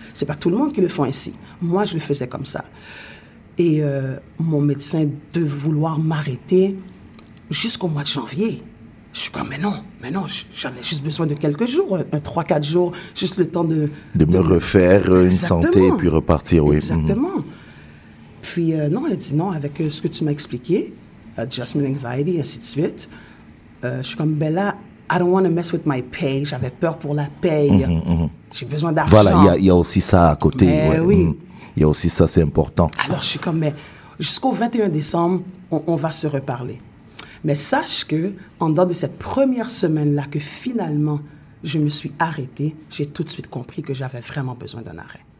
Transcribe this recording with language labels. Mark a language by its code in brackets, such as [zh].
[fr] C'est pas tout le monde qui le font ainsi. Moi, je le faisais comme ça. Et mon médecin de vouloir m'arrêter jusqu'au mois de janvier. Je suis comme, mais non, j'en ai juste besoin de quelques jours, un 3-4 jours, juste le temps de me refaire une santé et puis repartir. Oui. Exactement. Mm-hmm. Puis, non, elle dit non, avec ce que tu m'as expliqué, adjustment anxiety, ainsi de suite. Je suis comme, ben là, [en] I don't want to mess with my pay. [fr] J'avais peur pour la paye. Mm-hmm, mm-hmm. J'ai besoin d'argent. Voilà, il y a aussi ça à côté. Mais ouais, oui. Il y a aussi ça, c'est important. Alors, je suis comme, mais jusqu'au 21 décembre, on va se reparler. Mais sache que, en dedans de cette première semaine-là, que finalement, je me suis arrêtée, j'ai tout de suite compris que j'avais vraiment besoin d'un arrêt.